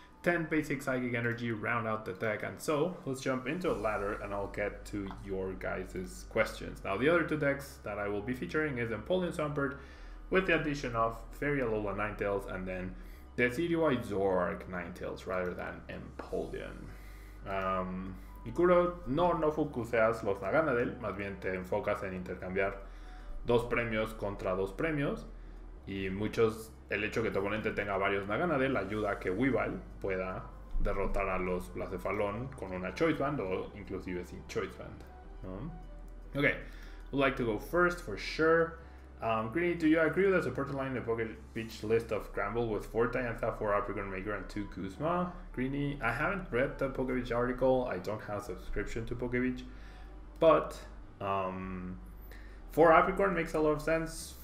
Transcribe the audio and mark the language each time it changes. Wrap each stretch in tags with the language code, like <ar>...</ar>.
<en>10 basic psychic energy round out the deck. And so let's jump into a ladder and I'll get to your guys' questions. Now, the other two decks that I will be featuring is Empoleon Swampert with the addition of Fairy Alola Ninetales and then Decidueye Zoroark Ninetales rather than Empoleon.</en> <es>Ikuro, no focuseas los Naganadel, más bien te enfocas en intercambiar dos premios contra dos premios. Y muchos, el hecho que tu oponente tenga varios Naganadel ayuda a que Weavile pueda derrotar a los Blacephalon con una Choice Band o inclusive sin Choice Band.</es> <en>¿No? Ok, would like to go first for sure. Greeny, do you agree with the support line in the Pocket Beach list of Granbull with 4 Tyantha, 4 Apricorn Maker, and 2 Guzma? Greeny, I haven't read the Pocket Beach article. I don't have a subscription to Pocket Beach. But 4 Apricorn makes a lot of sense.</en>